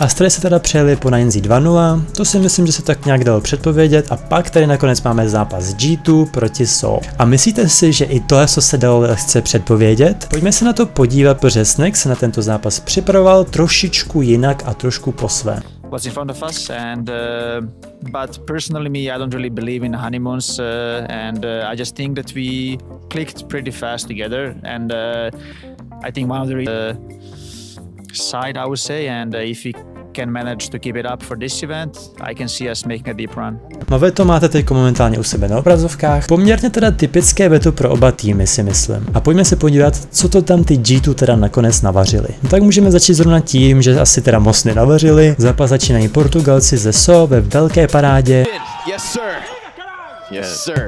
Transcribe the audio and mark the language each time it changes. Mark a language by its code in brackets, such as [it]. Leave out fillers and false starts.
[cs] Astrid se teda přejeli po 9Z 2-0, to si myslím, že se tak nějak dalo předpovědět a pak tady nakonec máme zápas G2 proti Soul. A myslíte si, že i tohle se dalo lehce předpovědět? Pojďme se na to podívat, protože Snake se na tento zápas připravoval trošičku jinak a trošku po svém. [en] Was in front of us, and but personally, me, I don't really believe in honeymoons, and I just think that we clicked pretty fast together, and I think one of the side I would say, and if we can manage to keep it up for this event, I can see us making a deep run. [cs] No veto máte teď momentálně u sebe na obrazovkách, poměrně teda typické veto pro oba týmy si myslím. A pojďme se podívat, co to tam ty G2 teda nakonec navařili. No tak můžeme začít zrovna tím, že asi teda moc nenavařili, zápas začínají Portugalci ze SO ve velké parádě. [en] Yes, sir.